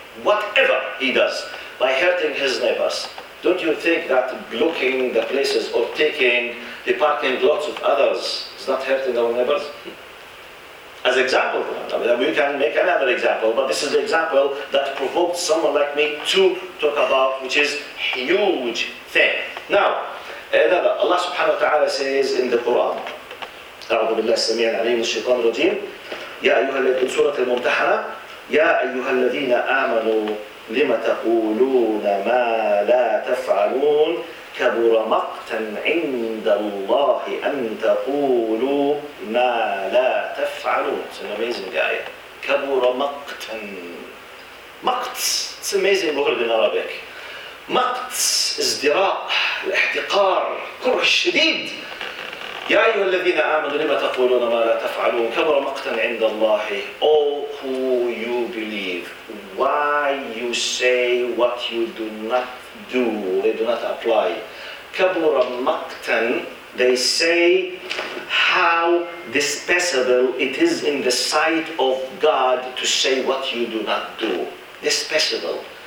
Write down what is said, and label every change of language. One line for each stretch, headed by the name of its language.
English: Whatever he does by hurting his neighbors. Don't you think that blocking the places or taking the parking lots of others is not hurting our neighbors? As example, we can make another example, but this is the example that provoked someone like me to talk about, which is huge thing. Now, Allah subhanahu wa ta'ala says in the Quran,
Arabic: أعوذ بالله السميع العليم الشيطان الرجيم يا أيها الذين سورة الممتحنة يا أيها الذين آمنوا لما تقولون ما لا تفعلون كبر مقتا عند الله أن تقولوا ما لا تفعلون.
English: It's an amazing guy.
Arabic: كبر مقتا. مقت.
English: It's amazing word in Arabic.
Arabic: مقت. ازدراء. الاحتقار. كره الشديد. يا أيها الذين آمنوا لما تقولون ما لا تفعلون كبر مقتا عند الله.
English: Oh, who you believe. Why you say what you do not do. They do not apply.
Arabic: كبر مقتا.
English: They say how despicable it is in the sight of God to say what you do not do. Despicable.